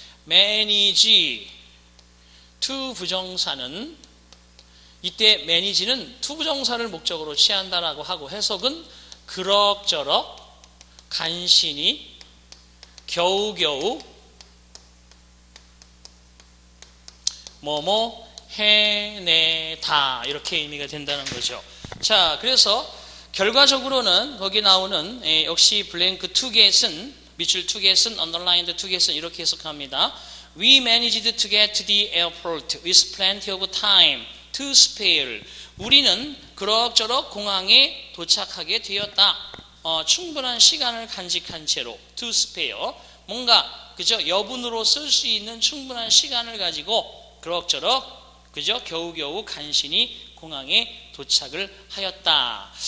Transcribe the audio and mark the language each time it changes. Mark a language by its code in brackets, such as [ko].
[ko] manage to 부정사는 이때 manage는 to 부정사를 목적으로 취한다라고 하고 해석은 그럭저럭 간신히 겨우겨우 뭐뭐 해내다 이렇게 의미가 된다는 거죠. 자, 그래서 결과적으로는 거기 나오는 역시 블랭크 to get은 밑줄 to get은 [en] underlined to get [ko] 은 이렇게 해석합니다. [en] We managed to get to the airport with plenty of time to spare. [ko] 우리는 그럭저럭 공항에 도착하게 되었다. 충분한 시간을 간직한 채로 [en] to spare. [ko] 뭔가 그죠? 여분으로 쓸 수 있는 충분한 시간을 가지고 그럭저럭 그죠? 겨우겨우 간신히 공항에 도착을 하였다.